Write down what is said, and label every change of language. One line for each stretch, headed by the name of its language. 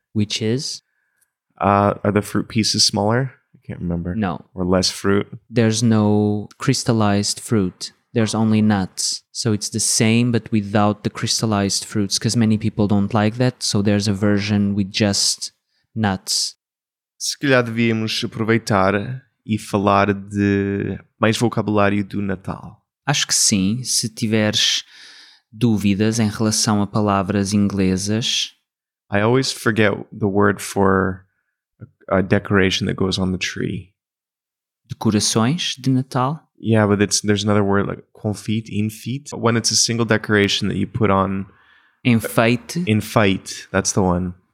English: Which is? Are the fruit pieces smaller? I can't remember. No. Or less fruit? There's no crystallized fruit. There's only nuts. So it's the same, but without the crystallized fruits, because many people don't like that. So there's a version with just nuts.
Portuguese: Se calhar devíamos aproveitar e falar de mais vocabulário do Natal. Acho que sim. Se tiveres dúvidas em relação a palavras inglesas.
English: I always forget the word for a decoration that goes on the tree.
Portuguese: Decorações de Natal?
English: Yeah, but there's another word like confite, enfeite. When it's a single decoration that you put on.
Portuguese: Enfeite.
English: Enfeite, that's the one.